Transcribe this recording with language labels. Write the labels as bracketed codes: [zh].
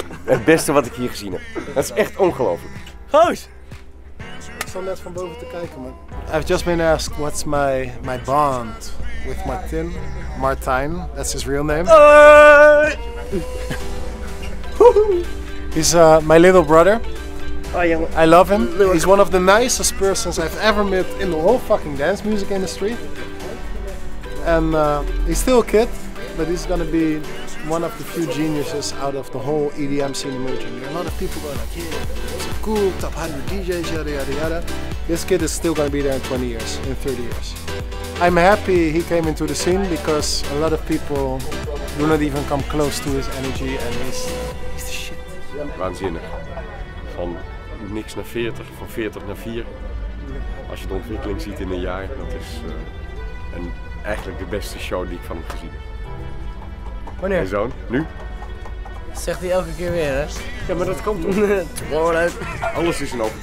[nl] Het beste wat ik hier gezien heb. Dat is echt ongelooflijk. Goos! Ik stond net van boven te kijken, man. [en] I've just been asked what's my bond with Martin. Martijn, that's his real name. He's my little brother. [nl] Oh, jongen. [en] I love him. He's one of the nicest persons I've ever met in the whole fucking dance music industry. And he's still a kid, but he's gonna be one of the few geniuses out of the whole EDM scene emerging. There are a lot of people going like, yeah, it's a cool top 100 DJs, yada yada yada. This kid is still gonna be there in 20 years, in 30 years. I'm happy he came into the scene because a lot of people do not even come close to his energy and his shit. [nl] Waanzinnig. Van niks naar 40, van 40 naar 4. Als je de ontwikkeling ziet in een jaar, dat is eigenlijk de beste show die ik van hem gezien heb. Wanneer? Mijn zoon, nu? Zegt hij elke keer weer, hè? Ja, maar dat komt toch? Alles is een open